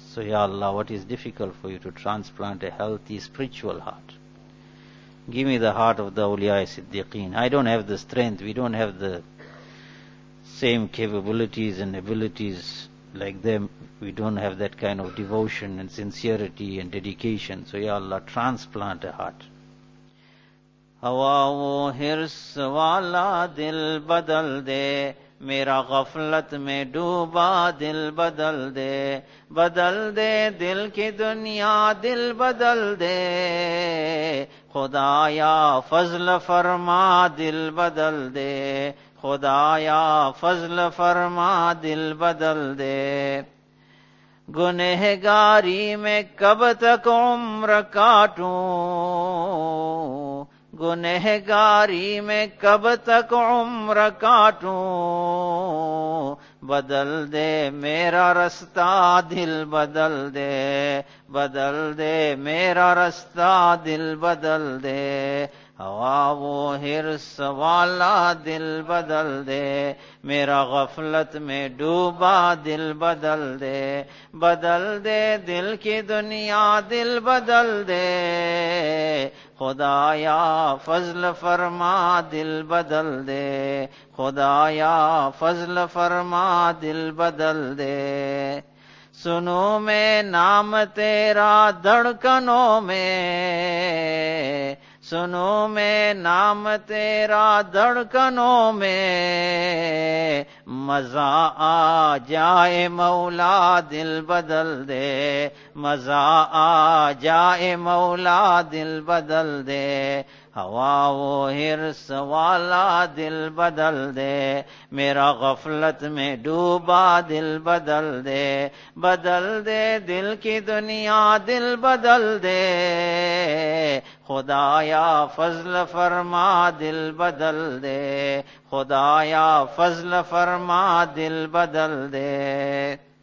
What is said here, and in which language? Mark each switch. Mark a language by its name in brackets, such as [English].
[English] So, Ya Allah, what is difficult for you to transplant a healthy spiritual heart? Give me the heart of the awliya-i siddiqeen. I don't have the strength, we don't have the same capabilities and abilities like them. We don't have that kind of devotion and sincerity and dedication. So, Ya Allah, transplant a heart. [Urdu] Hawa wo hirs wala dil badal de میرا غفلت میں ڈوبا دل بدل دے, بدل دے دل کی دنیا دل بدل دے خدایا فضل فرما دل بدل دے, خدایا فضل فرما دل بدل دے. گنہگاری میں کب تک عمر کاٹوں, گنہگاری میں کب تک عمر کاٹوں بدل دے میرا رستہ دل بدل دے, بدل دے میرا رستہ دل بدل دے. ہوا وہ حرص والا دل بدل دے میرا غفلت میں ڈوبا دل بدل دے, بدل دے دل کی دنیا دل بدل دے خدایا فضل فرما دل بدل دے, خدایا فضل فرما دل بدل دے. سنو میں نام تیرا دھڑکنوں میں, سنو میں نام تیرا دھڑکنوں میں مزہ آ جائے مولا دل بدل دے, مزہ آ جائے مولا دل بدل دے. ہوا وہ حرص والا دل بدل دے میرا غفلت میں ڈوبا دل بدل دے, بدل دے دل کی دنیا دل بدل دے خدایا فضل فرما دل بدل دے, خدایا فضل فرما دل بدل دے.